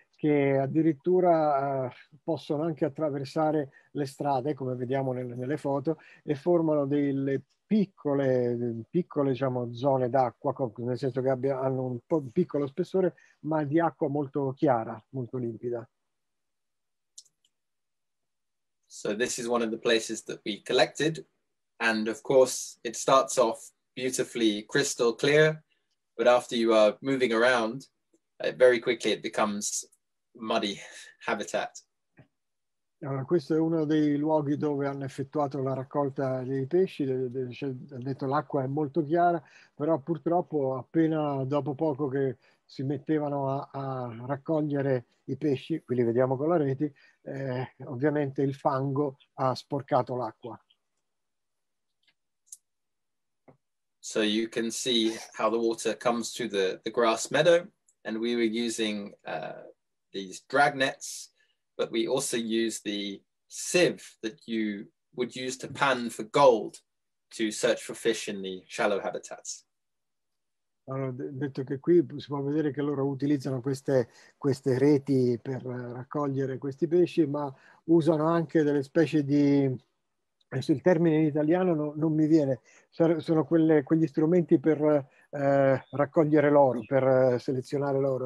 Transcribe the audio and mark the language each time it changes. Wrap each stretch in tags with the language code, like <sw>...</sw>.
<it>che addirittura possono anche attraversare le strade, come vediamo nelle foto, e formano delle piccole, diciamo, zone d'acqua, nel senso che hanno un po' un piccolo spessore, ma di acqua molto chiara, molto limpida.</it> <en>So this is one of the places that we collected, and of course it starts off beautifully crystal clear, but after you are moving around, very quickly it becomes muddy habitat.</en> <it>Allora, questo è uno dei luoghi dove hanno effettuato la raccolta dei pesci. Cioè, ha detto l'acqua è molto chiara, però purtroppo appena dopo poco che si mettevano a raccogliere i pesci, qui li vediamo con la rete, ovviamente il fango ha sporcato l'acqua.</it> <en>So you can see how the water comes through the grass meadow, and we were using these drag nets, but we also use the sieve that you would use to pan for gold to search for fish in the shallow habitats.</en> <it>Allora, detto che qui si può vedere che loro utilizzano queste reti per raccogliere questi pesci, ma usano anche delle specie di, adesso il termine in italiano non mi viene, sono quegli strumenti per raccogliere l'oro, per selezionare l'oro.</it>